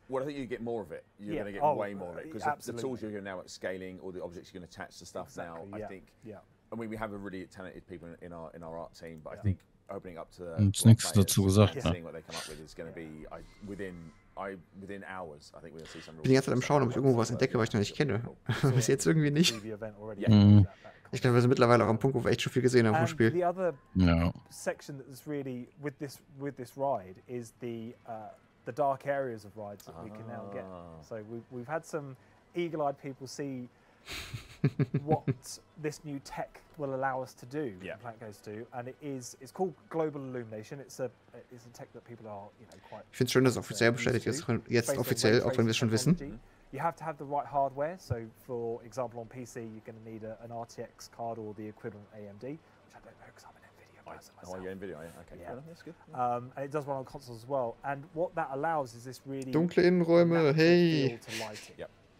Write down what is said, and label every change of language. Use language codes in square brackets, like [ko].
[en] Well, I think you get more of it. You're going to get way more of it, because the tools you're now at scaling, all the objects you're going to attach to stuff now, I think... Yeah. I mean, we have a really talented people in our art team, but I think opening up to... [de] Das nächste dazu gesagt, ne? [en] ...seeing what they come up with is going to be within hours, I think we're going to see some... [de] Ich bin die ganze Zeit am Schauen, ob ich irgendwo was entdecke, was ich noch nicht kenne. Bis jetzt irgendwie nicht. Ich glaube, wir sind mittlerweile auch am Punkt, wo wir echt schon viel gesehen haben vom Spiel. [en] The other section that's really with this ride is the dark areas of rides that we can now get. So we've had some eagle-eyed people see what this new tech will allow us to do. Yeah. Planet Coaster 2, and it's called global illumination. It's a tech that people are, you know, quite. [de] Ich finde es schön, dass es offiziell bestätigt ist. Jetzt offiziell, auch wenn wir es schon wissen. [en] You have to have the right hardware. So, for example, on PC, you're going to need an RTX card or the equivalent AMD, which I don't know because I'm an NVIDIA person myself. Oh, you're NVIDIA, yeah. Okay, yeah. That's good. And it does run on consoles as well. And what that allows is this really [de] dunkle Innenräume, hey. [en] To lighting. Yep.